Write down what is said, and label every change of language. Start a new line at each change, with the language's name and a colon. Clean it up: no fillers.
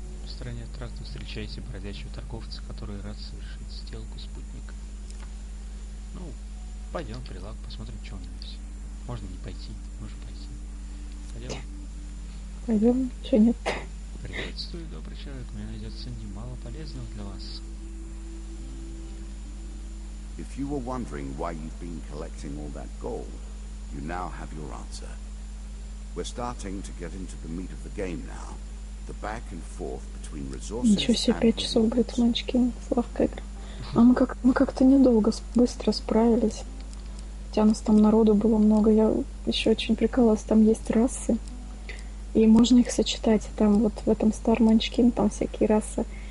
Russian: В стороне тракта встречаете бродячего торговца, который рад совершить сделку спутника. Ну, пойдем в прилавок, посмотрим, что у него есть. Можно не пойти, можно пойти. Пойдем. Пойдем, что нет. Приветствую, добрый человек. У меня найдется немало полезного для вас.
English: If you were wondering why you've been collecting all that gold, you now have your answer. We're starting to get into the meat of the game now. The back and forth between resources.
Russian: Ничего себе, 5 часов будет в Манчкин. Славка игра. А мы как-то недолго, быстро справились. Хотя у нас там народу было много. Я еще очень прикалывалась. Там есть расы. И можно их сочетать. Там вот в этом Стар Манчкин там всякие расы.